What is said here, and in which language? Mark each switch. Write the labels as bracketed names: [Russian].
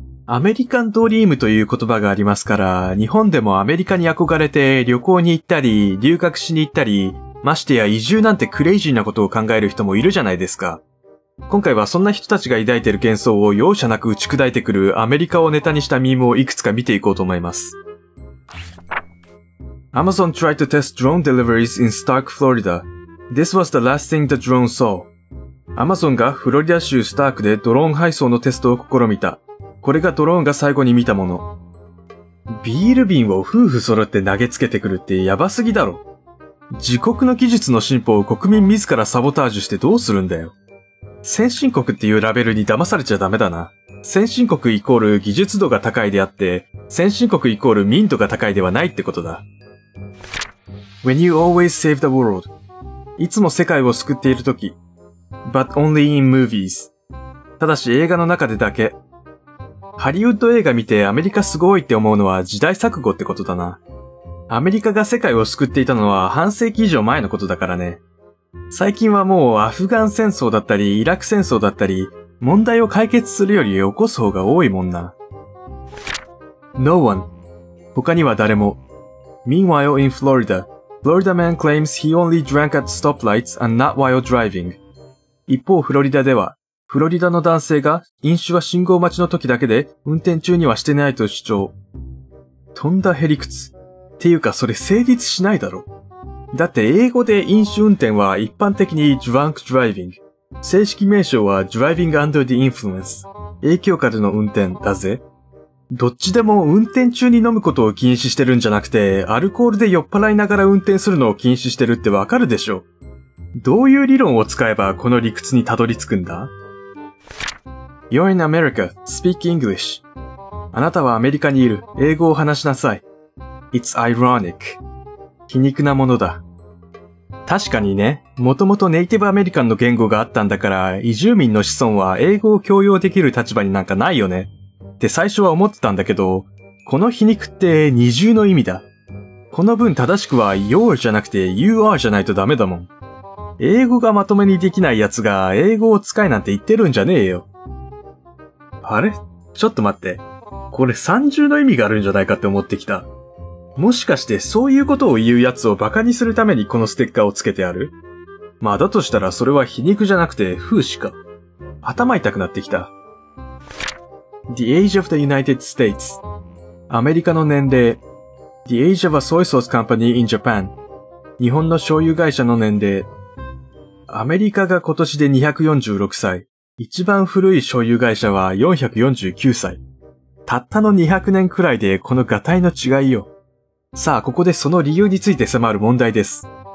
[Japanese] アメリカンドリームという言葉がありますから、日本でもアメリカに憧れて旅行に行ったり、留学しに行ったり、ましてや移住なんてクレイジーなことを考える人もいるじゃないですか。今回はそんな人たちが抱いている幻想を容赦なく打ち砕いてくるアメリカをネタにしたミームをいくつか見ていこうと思います。 [English] Amazon tried to test drone deliveries in Stark, Florida. This was the last thing the drone saw. [Japanese] Amazon がフロリダ州スタークでドローン配送のテストを試みた。これがドローンが最後に見たもの。ビール瓶を夫婦揃って投げつけてくるってやばすぎだろ。自国の技術の進歩を国民自らサボタージュしてどうするんだよ。先進国っていうラベルに騙されちゃダメだな。先進国イコール技術度が高いであって、先進国イコール民度が高いではないってことだ。 [English] When you always save the world. [Japanese] いつも世界を救っているとき。 [English] But only in movies. [Japanese] ただし映画の中でだけ。ハリウッド映画見てアメリカすごいって思うのは時代錯誤ってことだな。アメリカが世界を救っていたのは半世紀以上前のことだからね。最近はもうアフガン戦争だったりイラク戦争だったり、問題を解決するより起こす方が多いもんな。 [English] No one. [Japanese] 他には誰も。 [English] Meanwhile in Florida, Florida man claims he only drank at stoplights and not while driving. [Japanese] 一方フロリダでは、フロリダの男性が飲酒は信号待ちの時だけで運転中にはしてないと主張。とんだへりくつ。っていうかそれ成立しないだろ。だって英語で飲酒運転は一般的に drunk driving。正式名称は [English] driving under the influence。 [Japanese] 影響下での運転だぜ。どっちでも運転中に飲むことを禁止してるんじゃなくて、アルコールで酔っ払いながら運転するのを禁止してるってわかるでしょ。どういう理論を使えばこの理屈にたどり着くんだ？ [English] You're in America, speak English. [Japanese] あなたはアメリカにいる、英語を話しなさい。 [English] It's ironic. [Japanese] 皮肉なものだ。確かにね、もともとネイティブアメリカンの言語があったんだから、移住民の子孫は英語を強要できる立場になんかないよね。って最初は思ってたんだけど、この皮肉って二重の意味だ。この文正しくは You're じゃなくて You are じゃないとダメだもん。英語がまとめにできない奴が英語を使えなんて言ってるんじゃねえよ。あれ？ちょっと待って。これ三重の意味があるんじゃないかって思ってきた。もしかしてそういうことを言う奴をバカにするためにこのステッカーをつけてある？まあだとしたらそれは皮肉じゃなくて風刺か。頭痛くなってきた。 [English] The age of the United States. [Japanese] アメリカの年齢。 [English] The age of a soy sauce company in Japan. [Japanese] 日本の醤油会社の年齢。アメリカが今年で246歳。一番古い醤油会社は449歳。たったの200年くらいでこのガタイの違いよ。さあ、ここでその理由について迫る問題です。